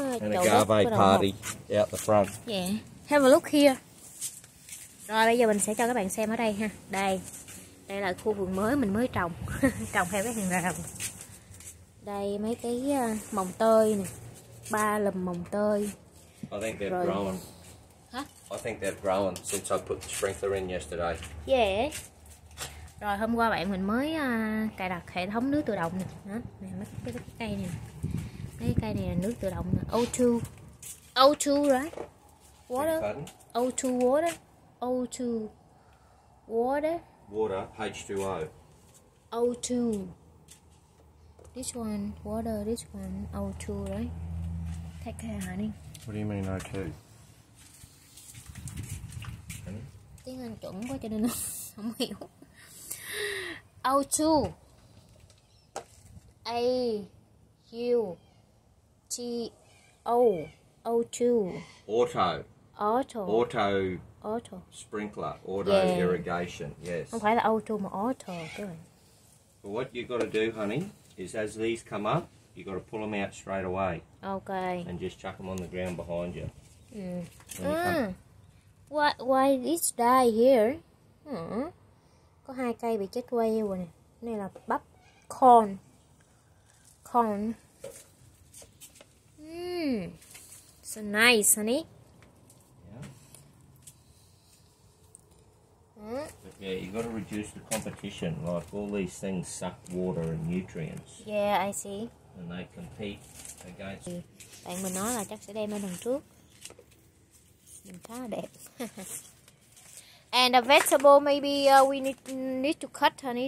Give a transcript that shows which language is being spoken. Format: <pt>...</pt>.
<vi>chậu nước.</vi> <en>An agave party out the front. Yeah, have a look here.</en> <vi>Rồi bây giờ mình sẽ cho các bạn xem ở đây ha. Đây, đây là khu vườn mới mình mới trồng, trồng theo cái hàng rào. Đây mấy cái mồng tơi nè. Ba lùm mồng tơi.</vi> <en>I think they're growing. Huh? I think they've grown since I put the sprinkler in yesterday. Yeah.</en> <vi>Rồi hôm qua bạn mình mới cài đặt hệ thống nước tự động nè. Đó, nè mấy cái cây này. Mấy cái cây này là nước tự động nè.</vi> <en>O2. O2 right? Water. O2 water. O2 water. Water H2O. O2. This one water, this one O2, right? Take care, honey. What do you mean O2?</en> <vi>Tiếng Anh chuẩn quá cho nên không hiểu.</vi> <en>O2 A-U-T-O O2 Auto Sprinkler, auto yeah. Irrigation, yes.</en> <vi>Không phải là auto mà auto.</vi> <en>But what you got to do, honey, is as these come up, you got to pull them out straight away. Okay. And just chuck them on the ground behind you. Why this die here?</en> <vi>Có hai cây bị chết quay rồi nè. Này là bắp corn. Corn.</vi> <en>So nice, honey. But yeah, you got to reduce the competition. Like all these things suck water and nutrients. Yeah, I see. And they compete against.</en> <vi>Bạn mình nói là chắc sẽ đem ở đằng trước. Nhìn khá là đẹp.</vi> <en>And a vegetable, maybe we need to cut, honey.</en>